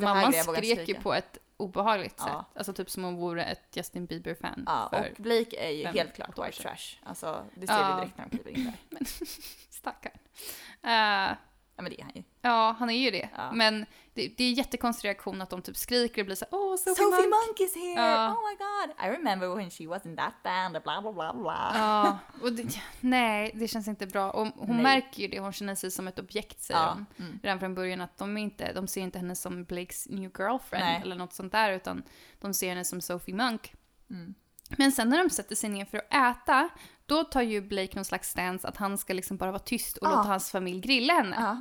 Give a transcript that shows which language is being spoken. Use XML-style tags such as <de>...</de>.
<sv>mamma skrek ju på ett obehagligt sätt. Alltså typ som om hon vore ett Justin Bieber-fan. Och Blake är ju helt klart white trash. Alltså det ser vi direkt när han kliver in där. Men, stackaren. Ja, men det är han ju. Ja, han är ju det. Ja. Men det är en jättekonstig reaktion att de typ skriker och blir så här, oh,</sv> <en>Sophie Monk is here! Ja. Oh my god! I remember when she was in that band, bla bla bla bla.</en> <sv>Ja, och det känns inte bra. Och hon märker ju det, hon känner sig som ett objekt, säger hon. Mm. Redan från början att de ser inte henne som</sv> <en>Blake's new girlfriend</en> <sv>eller något sånt där, utan de ser henne som Sophie Monk. Mm. Men sen när de sätter sig ner för att äta, då tar ju Blake någon slags stance att han ska liksom bara vara tyst och låta hans familj grilla henne.</sv>